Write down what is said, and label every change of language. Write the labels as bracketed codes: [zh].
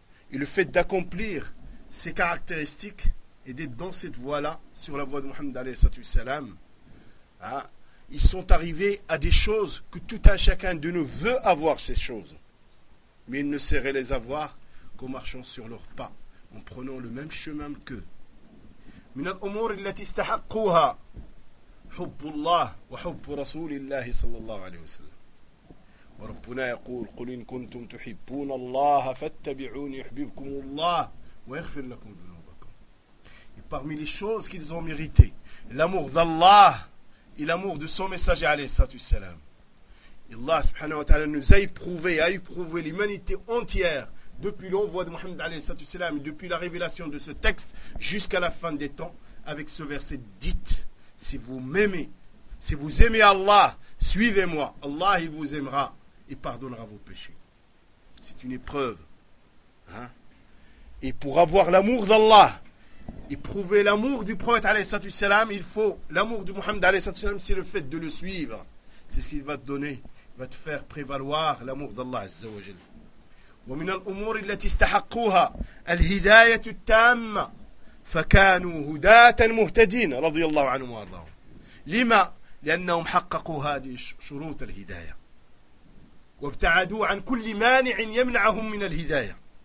[fr] Et le fait d'accomplir ces caractéristiques et d'être dans cette voie-là, sur la voie de Mohammed alayhi salatu wassalam, hein, ils sont arrivés à des choses que tout un chacun de nous veut avoir, ces choses. Mais ils ne sauraient les avoir qu'en marchant sur leurs pas, en prenant le même chemin qu'eux. [ar] من الأمور التي استحقوها حب الله وحب رسول الله صلى الله عليه وسلم. وربنا يقول قل إن كنتم تحبون الله فاتبعوني يحببكم الله ويغفر لكم ذنوبكم. [fr] Et parmi les choses qu'ils ont mérité, l'amour d'Allah et l'amour de son messager [ar] عليه الصلاة والسلام. [fr] Allah subhanahu wa ta'ala nous a éprouvé l'humanité entière depuis l'envoi de Mohammed alayhi salatu wassalam, depuis la révélation de ce texte jusqu'à la fin des temps, avec ce verset: dites, si vous m'aimez, si vous aimez Allah, suivez-moi, Allah il vous aimera et pardonnera vos péchés. C'est une épreuve, hein? Et pour avoir l'amour d'Allah, éprouver l'amour du prophète alayhi salatu wassalam, il faut l'amour de Mohammed alayhi salatu wassalam, c'est le fait de le suivre, c'est ce qu'il va te donner, il va te faire prévaloir l'amour d'Allah azza wa jalla. [ar] ومن الأمور التي استحقوها الهداية التامة فكانوا هداة مهتدين رضي الله عنهم وأرضاهم. لما؟ لأنهم حققوا هذه شروط الهداية وابتعدوا عن كل مانع يمنعهم من الهداية.